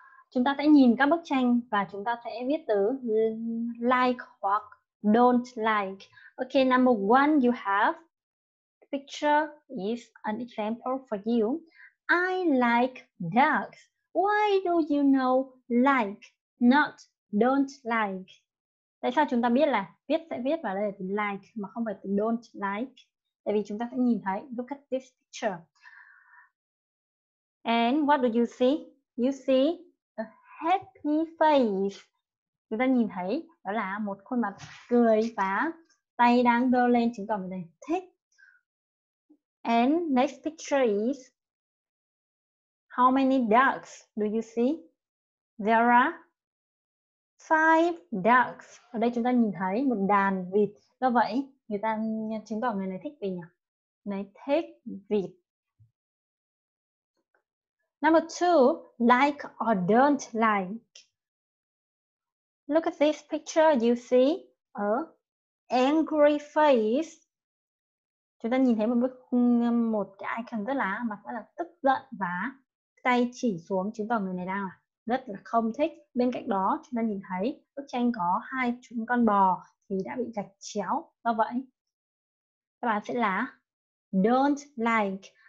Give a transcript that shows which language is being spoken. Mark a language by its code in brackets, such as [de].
[vi] Chúng ta sẽ nhìn các bức tranh và chúng ta sẽ viết từ like hoặc don't like. [en] Okay, number one, you have the picture is an example for you. I like ducks. Why do you know like, not don't like? [vi] Tại sao chúng ta biết là viết sẽ viết vào đây là từ like mà không phải từ don't like? Tại vì chúng ta sẽ nhìn thấy, [en] look at this picture. And what do you see? You see a happy face. [vi] Chúng ta nhìn thấy đó là một khuôn mặt cười và tay đang đưa lên chứng tỏ mình thích. [en] And next picture is how many ducks do you see? There are five ducks. [vi] Ở đây chúng ta nhìn thấy một đàn vịt. Do vậy, người ta chứng tỏ người này thích vịt nhỉ? Này thích vịt. [en] Number two, like or don't like. Look at this picture, you see a angry face. [vi] Chúng ta nhìn thấy một cái icon rất là tức giận và tay chỉ xuống chứng tỏ người này đang rất là không thích. Bên cạnh đó, chúng ta nhìn thấy bức tranh có hai chúng con bò thì đã bị gạch chéo. Do vậy, các bạn sẽ là don't like.